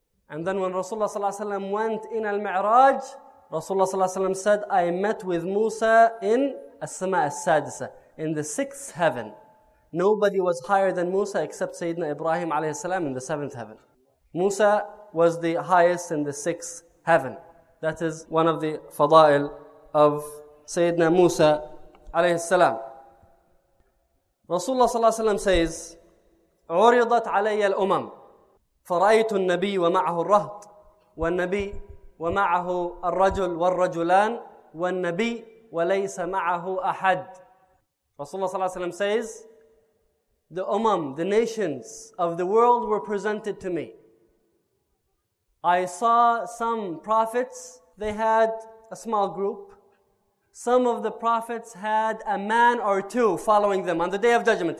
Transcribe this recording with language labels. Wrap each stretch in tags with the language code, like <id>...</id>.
<en>And then when Rasulullah ﷺ went in Al-Mi'raj, Rasulullah ﷺ said, I met with Musa in As-Sama As-Sadisa, in the sixth heaven. Nobody was higher than Musa except Sayyidina Ibrahim alayhi salam in the seventh heaven. Musa was the highest in the sixth heaven. That is one of the fada'il of Sayyidina Musa alayhi salam. Rasulullah sallallahu alayhi wa sallam says,</en> <ar>عُرِضَتْ عَلَيَّ الْأُمَمْ فَرَأَيْتُ النَّبِيُّ وَمَعَهُ الرَّهْطُ وَالنَّبِيُّ وَمَعَهُ الرَّجُلُ وَالرَّجُلَانِ وَالنَّبِيُّ وَلَيْسَ مَعَهُ أَحَدٌ.</ar> <en>Rasulullah sallallahu alayhi wa sallam says, the umam, the nations of the world were presented to me. I saw some prophets, they had a small group. Some of the prophets had a man or two following them on the Day of Judgment.</en>